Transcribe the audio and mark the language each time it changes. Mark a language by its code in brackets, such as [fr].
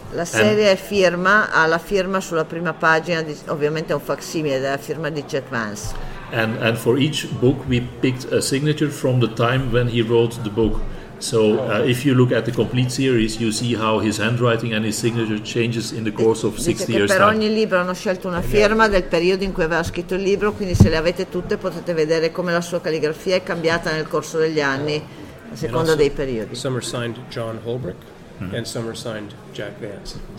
[it] La serie è firma, ha la firma sulla prima pagina, di, ovviamente è un facsimile della firma di Chet Vance. [en] And for each book we picked a signature from the time when he wrote the book. So if you look at the complete series you see how his handwriting and his signature changes in the course of 60 years. [it] Per ogni libro hanno scelto una firma del periodo in cui aveva scritto il libro, quindi se le avete tutte potete vedere come la sua calligrafia è cambiata nel corso degli anni a seconda dei periodi. [en] Some are signed John Holbrook and some are signed Jack Vance.